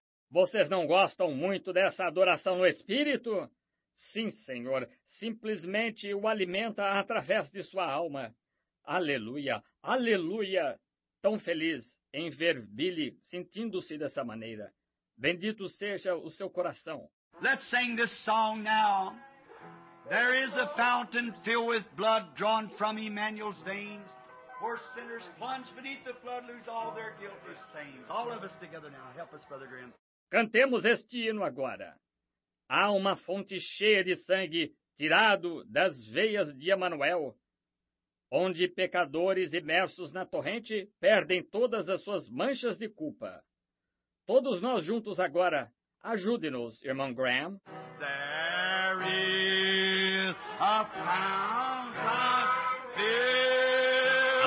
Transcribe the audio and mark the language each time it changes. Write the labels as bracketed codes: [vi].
[pt] Vocês não gostam muito dessa adoração no Espírito? Sim, Senhor. Simplesmente o alimenta através de sua alma. Aleluia, aleluia, tão feliz em ver Billy sentindo-se dessa maneira. Bendito seja o seu coração. [en] Let's sing this song now. There is a fountain filled with blood drawn from Emmanuel's veins. Where sinners plunge beneath the flood, lose all their guilty stains. All of us together now, help us, Brother Grimm. [pt] Cantemos este hino agora. Há uma fonte cheia de sangue tirado das veias de Emmanuel. Onde pecadores imersos na torrente perdem todas as suas manchas de culpa. Todos nós juntos agora, ajude-nos, irmão Graham. [en] There is a fountain filled.